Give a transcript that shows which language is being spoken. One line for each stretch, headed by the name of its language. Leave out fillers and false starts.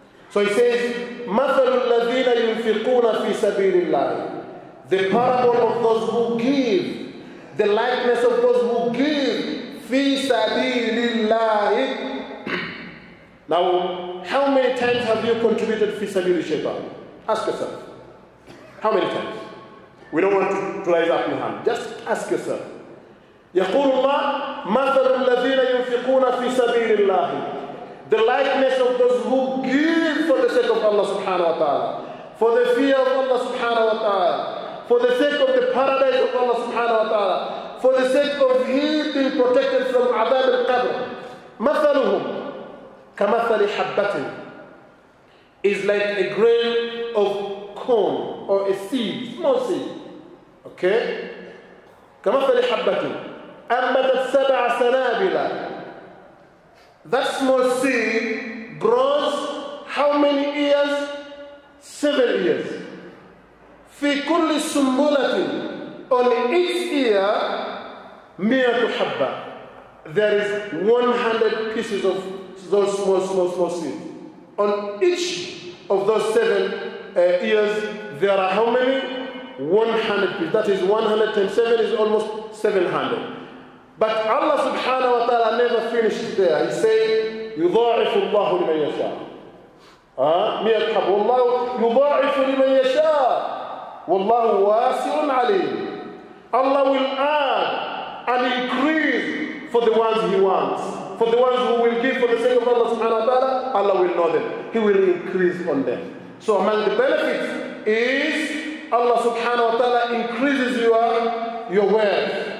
English: So he says,
Arabic: مثل الذين ينفقون في سبيل الله.
English: The parable of those who give, the likeness of those who give
Arabic: في سبيل الله.
English: Now, how many times have you contributed
Arabic: في سبيل الشيطان?
English: Ask yourself. How many times? We don't want to raise up your hand. Just ask yourself.
Arabic: يقول الله مثل الذين ينفقون في سبيل الله.
English: The likeness of those who give for the sake of Allah subhanahu wa ta'ala, for the fear of Allah subhanahu wa ta'ala, for the sake of the paradise of Allah subhanahu wa ta'ala, for the sake of him being protected from
Arabic: adab al-qadr. مثلهم كمثل حبة
English: is like a grain of corn or a seed, small seed. Okay?
Arabic: كمثل حبة أنبتت سبع سنابل.
English: That small seed grows how many years? 7 years.
Arabic: في كل سنبلة
English: on each ear 100
Arabic: حبة.
English: There is 100 pieces of those small seeds. On each of those 7 years, there are how many? 100 pieces. That is 100 times 7 is almost 700. But Allah subhanahu wa ta'ala never finished there. He said,
Arabic: يضاعف الله لمن يشاء. ميتحب والله يضاعف لمن يشاء. والله واسع عليم.
English: Allah will add and increase for the ones he wants. For the ones who will give for the sake of Allah subhanahu wa ta'ala, Allah will know them. He will increase on them. So among the benefits is Allah subhanahu wa ta'ala increases your wealth.